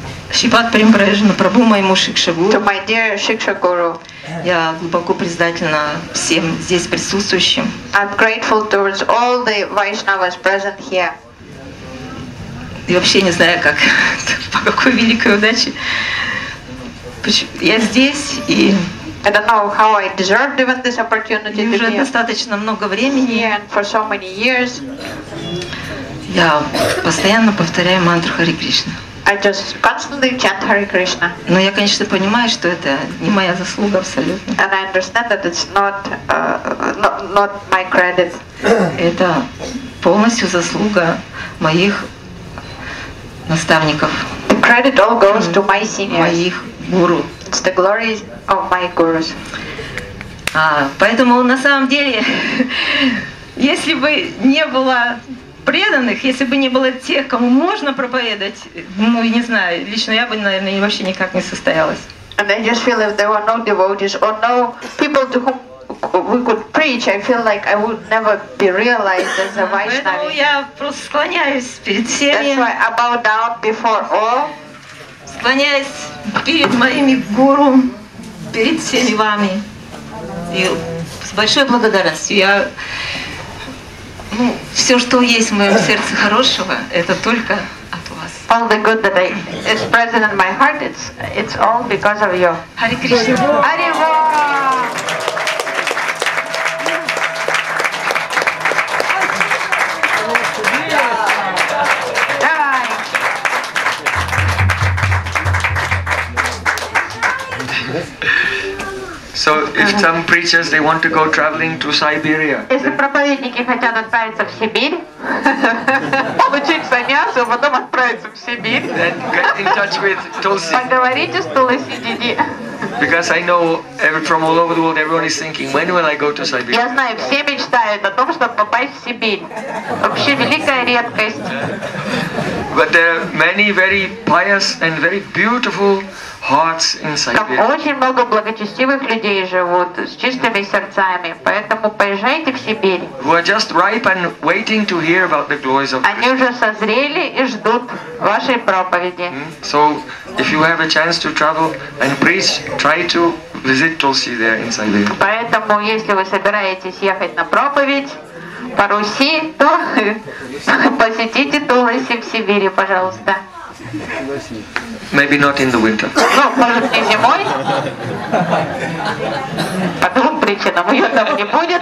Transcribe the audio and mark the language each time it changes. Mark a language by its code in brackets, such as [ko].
[ru] Шипат Премпрежна Прабу моему Шикшагуру. [en] To my dear Шикшагуру. [ru] Я глубоко признательна всем здесь присутствующим. [en] I'm grateful towards all the Vaishnavas present here. [ru] И вообще не знаю, как, по какой великой удаче. Я здесь и... [en] I don't know how I deserved even this opportunity. [ru] И уже достаточно много времени. [en] And for so many years. [ru] Я постоянно повторяю мантру Харе Кришна. [en] I just constantly chant Hare Krishna. [ru] Но я, конечно, понимаю, что это не моя заслуга абсолютно. [en] And I understand that it's not my credit. [ru] Это полностью заслуга моих наставников. [en] The credit all goes to my seniors. [ru] Моих гуру. [en] It's the glory of my gurus. [ru] Поэтому на самом деле, если бы не было преданных, если бы не было тех, кому можно проповедовать, ну, не знаю, лично я бы, наверное, вообще никак не состоялась. [en] And I just feel if there were no devotees or no people to whom we could preach, I feel like I would never be realized as a Vaishnavi. [ru] Поэтому я просто склоняюсь перед всеми. [en] That's why I bow down before all. [ru] Склоняюсь перед моими гуру, перед всеми вами. И с большой благодарностью я... Ну, все, что есть в моем сердце хорошего, это только от вас. [en] All the good that is present in my heart, it's all because of you. Hare Krishna. Hare Krishna. So if some preachers they want to go traveling to Siberia. [ru] Если проповедники хотят отправиться в Сибирь, получить саньясу, а потом отправиться в Сибирь. [en] Then get in touch with Tulsi. [ru] Поговорите с Tulsi Didi. [en] Because I know from all over the world, everyone is thinking, when will I go to Siberia? [ru] Я знаю, все мечтают о том, чтобы попасть в Сибирь. Вообще великая редкость. [en] But there are many very pious and very beautiful hearts in Siberia. [ru] Там очень много благочестивых людей живут с чистыми сердцами, поэтому поезжайте в Сибирь. [en] Who are just ripe and waiting to hear about the glories of [ru] Christ. Они уже созрели и ждут вашей проповеди. [en] So if you have a chance to travel and preach, try to visit Tulsi there in Siberia. [ru] Поэтому если вы собираетесь ехать на проповедь по Руси, то посетите Тулуси в Сибири, пожалуйста. [en] Maybe not in the winter. [ru] Ну, может, не зимой. По двум причинам, ее там не будет.